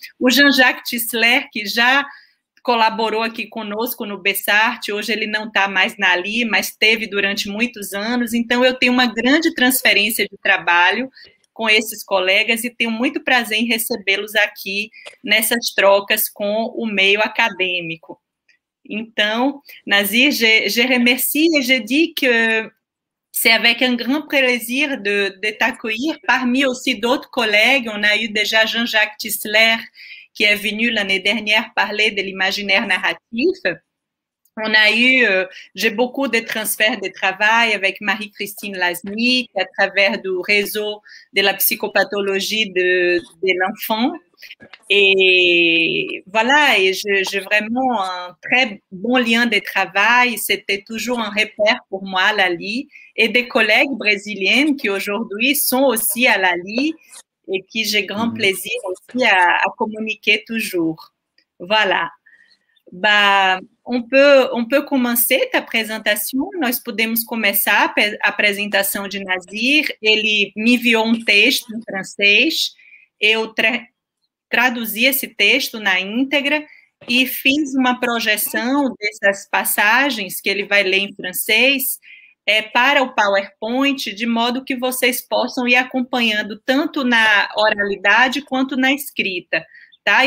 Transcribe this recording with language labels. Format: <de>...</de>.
<pt>O Jean-Jacques Tissler, que já colaborou aqui conosco no Bessarte, hoje ele não está mais na Ali, mas teve durante muitos anos. Então, eu tenho uma grande transferência de trabalho com esses colegas e tenho muito prazer em recebê-los aqui nessas trocas com o meio acadêmico.</pt> <fr>Então, Nazir, je remercie et je dis que c'est avec un grand plaisir de t'accueillir parmi aussi d'autres collègues. On a eu déjà Jean-Jacques Tisler qui est venu l'année dernière parler de l'imaginaire narratif. On a eu, j'ai beaucoup de transferts de travail avec Marie-Christine Lasnik à travers du réseau de la psychopathologie de l'enfant. Et voilà, et j'ai vraiment un très bon lien de travail. C'était toujours un repère pour moi, l'ALI, et des collègues brésiliennes qui aujourd'hui sont aussi à l'ALI et qui j'ai grand plaisir aussi à communiquer toujours. Voilà. Bah, on peut commencer ta présentation.</fr> <pt>Nós podemos começar a apresentação de Nazir. Ele me enviou um texto em francês. Eu traduzi esse texto na íntegra e fiz uma projeção dessas passagens que ele vai ler em francês para o PowerPoint, de modo que vocês possam ir acompanhando tanto na oralidade quanto na escrita. Tá?</pt>